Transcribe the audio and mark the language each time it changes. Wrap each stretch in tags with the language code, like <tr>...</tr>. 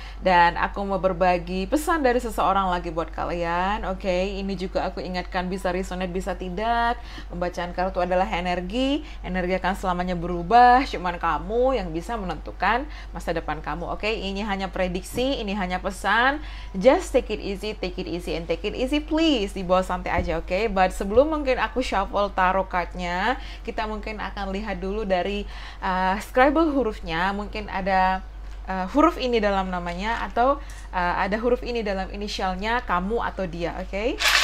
<id>Dan aku mau berbagi pesan dari seseorang lagi buat kalian. Oke, ini juga aku ingatkan bisa resonate, bisa tidak. Pembacaan kartu adalah energi. Energi akan selamanya berubah. Cuman kamu yang bisa menentukan masa depan kamu. Oke, ini hanya prediksi, ini hanya pesan.</id> <en>Just take it easy, and take it easy, please.</en> <id>Dibawa santai aja, oke. But sebelum mungkin aku</id> <en>shuffle tarot cardnya,</en> <id>kita mungkin akan lihat dulu dari scribble hurufnya. Mungkin ada huruf ini dalam namanya, atau ada huruf ini dalam inisialnya, kamu atau dia, oke?</id> <en>Okay?</en>